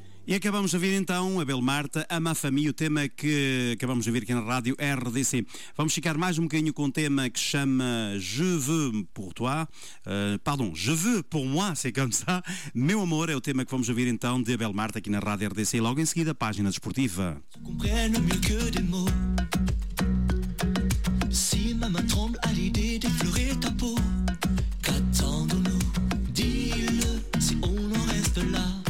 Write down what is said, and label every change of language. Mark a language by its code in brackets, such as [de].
[pt] Acabamos de ouvir então Abel Marta, Ama a Família, o tema que acabamos de ouvir aqui na Rádio RDC. Vamos ficar mais um bocadinho com um tema que chama [fr] Je veux pour toi, Je veux pour moi, c'est comme ça. [pt] Meu amor, é o tema que vamos ouvir então de Abel Marta aqui na Rádio RDC. Logo em seguida, página desportiva. Se compreendo [fr] mieux que des mots, si ma main tremble à l'idée d'effleurer ta peau, qu'attendons-nous? Dis-le, si on en reste là.